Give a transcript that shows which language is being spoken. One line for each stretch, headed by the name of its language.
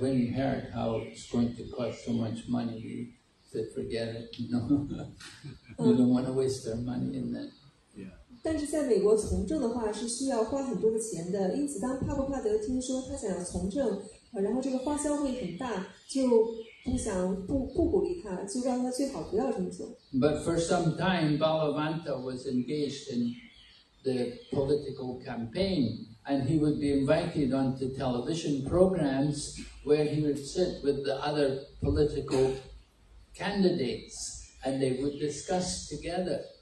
English: When he heard how it's going to cost so much money, he said, forget it, you don't want to waste their money in that. Yeah.
Chinese: 但是在美国从政的话是需要花很多的钱的，因此当帕布帕德听说他想要从政，然后这个花销会很大，就不鼓励他，就让他最好不要这么做。
English: But for some time, Balavanta was engaged in the political campaign. And he would be invited onto television programs where he would sit with the other political candidates and they would discuss together.